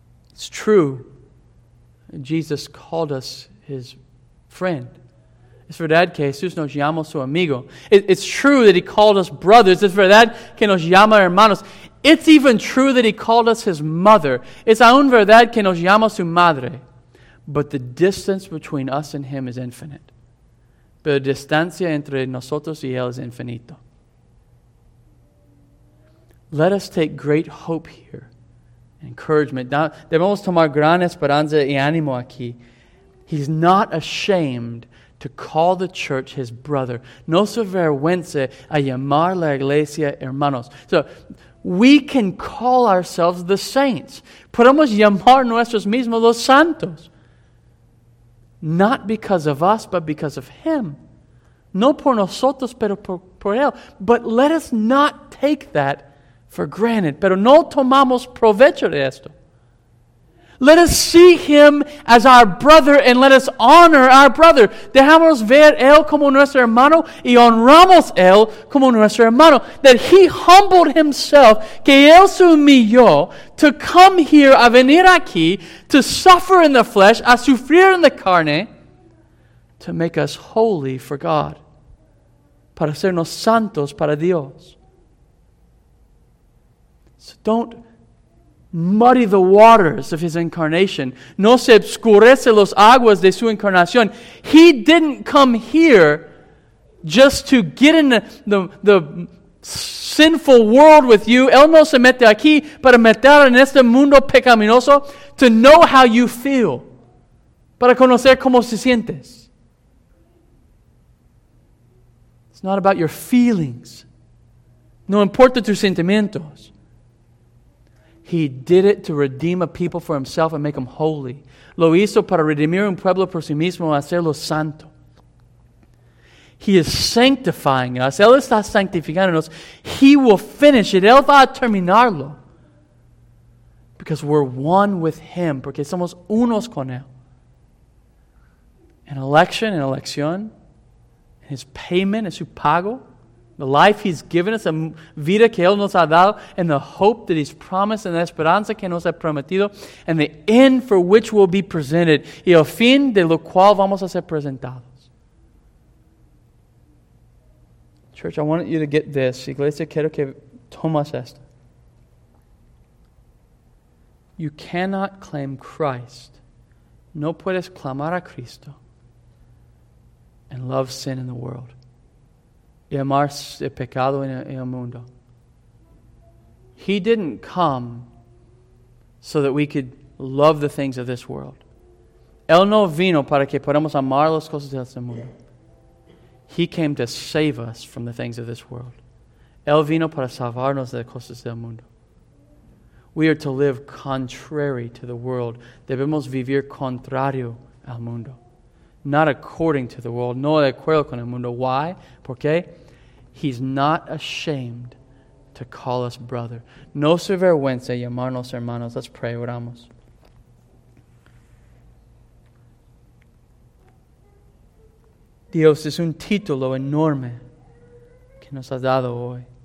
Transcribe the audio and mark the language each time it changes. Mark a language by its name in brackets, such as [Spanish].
[English] It's true, Jesus called us his friend. [Spanish] Es verdad que Jesús nos llamó su amigo. [English] It's true that he called us brothers. [Spanish] Es verdad que nos llama hermanos. [English] It's even true that he called us his mother. [Spanish] Es aún verdad que nos llama su madre. [English] But the distance between us and him is infinite. [Spanish] Pero la distancia entre nosotros y él es infinito. [English] Let us take great hope here. Encouragement. [Spanish] Debemos tomar gran esperanza y ánimo aquí. [English] He's not ashamed to call the church his brother. [Spanish] No se avergüence a llamar la iglesia hermanos. [English] So we can call ourselves the saints. [Spanish] Podemos llamar nuestros mismos los santos. [English] Not because of us, but because of him. [Spanish] No por nosotros, pero por él. [English] But let us not take that for granted. [Spanish] Pero no tomamos provecho de esto. [English] Let us see him as our brother and let us honor our brother. [Spanish] Dejamos ver él como nuestro hermano y honramos él como nuestro hermano. [English] That he humbled himself, [Spanish] que él se humilló, [English] to come here, [Spanish] a venir aquí, [English] to suffer in the flesh, [Spanish] a sufrir en la carne, [English] to make us holy for God. [Spanish] Para sernos santos para Dios. [English] So don't muddy the waters of his incarnation. [Spanish] No se obscurece los aguas de su encarnación. [English] He didn't come here just to get in the sinful world with you. [Spanish] Él no se mete aquí para meter en este mundo pecaminoso [English] to know how you feel. [Spanish] Para conocer cómo se sientes. [English] It's not about your feelings. [Spanish] No importa tus sentimientos. [English] He did it to redeem a people for himself and make them holy. [Spanish] Lo hizo para redimir un pueblo por sí mismo y hacerlo santo. [English] He is sanctifying us. [Spanish] Él está santificándonos. [English] He will finish it. [Spanish] Él va a terminarlo. [English] Because we're one with him. [Spanish] Porque somos unos con él. [English] And election and [Spanish] elección. [English] His payment and [Spanish] su pago. [English] The life he's given us, the [Spanish] vida que él nos ha dado, [English] and the hope that he's promised, and the [Spanish] esperanza que nos ha prometido, [English] and the end for which we'll be presented, [Spanish] y el fin de lo cual vamos a ser presentados. [English] Church, I want you to get this. [Spanish] Iglesia, quiero que tomas esto. [English] You cannot claim Christ. [Spanish] No puedes clamar a Cristo [English] and love sin in the world. [Spanish] Y amar el pecado en el mundo. [English] He didn't come so that we could love the things of this world. [Spanish] Él no vino para que podamos amar las cosas de este mundo. [English] He came to save us from the things of this world. [Spanish] Él vino para salvarnos de las cosas del mundo. [English] We are to live contrary to the world. [Spanish] Debemos vivir contrario al mundo. [English] Not according to the world. [Spanish] No de acuerdo con el mundo. [English] Why? [Spanish] ¿Por qué? [English] He's not ashamed to call us brother. [Spanish] No se avergüenza llamarnos hermanos. [English] Let's pray, [Spanish] oramos. Dios, es un título enorme que nos has dado hoy.